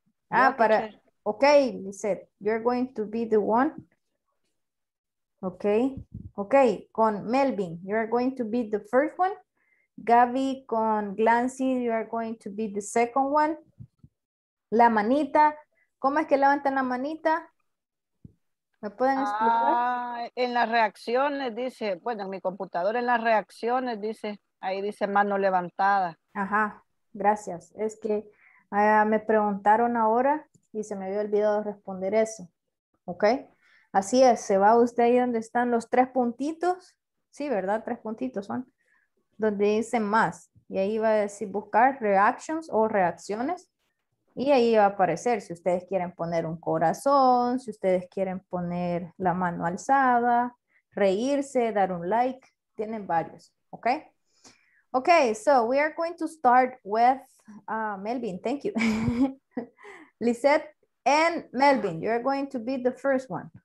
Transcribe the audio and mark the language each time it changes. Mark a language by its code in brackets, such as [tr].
[en] Ah, yeah, para, okay, Lizette, you're going to be the one. Okay, okay, con Melvin, you are going to be the first one. Gabby con Glancy, you are going to be the second one. [es] La manita, ¿cómo es que levantan la manita? ¿Me pueden explicar? Ah, en las reacciones dice, bueno, en mi computadora en las reacciones dice, ahí dice mano levantada. Ajá, gracias. Es que me preguntaron ahora y se me había olvidado responder eso. Ok, así es, se va usted ahí donde están los 3 puntitos. Sí, ¿verdad? 3 puntitos son. Donde dice más. Y ahí va a decir buscar reactions o reacciones. Y ahí va a aparecer si ustedes quieren poner un corazón, si ustedes quieren poner la mano alzada, reírse, dar un like. Tienen varios, ¿ok? [en] Ok, so we are going to start with Melvin. Thank you. Lizette and Melvin, you are going to be the first one.